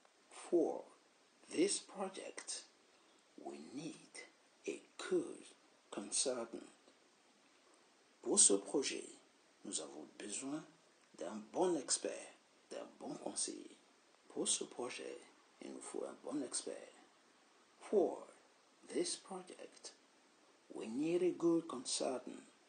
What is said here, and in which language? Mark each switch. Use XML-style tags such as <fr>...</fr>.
<en>For this project, we need a good consultant.</en> <fr>Pour ce projet, nous avons besoin d'un bon expert, d'un bon conseiller. Pour ce projet, il nous faut un bon expert.</fr> <en>For this project, we need a good consultant.</en>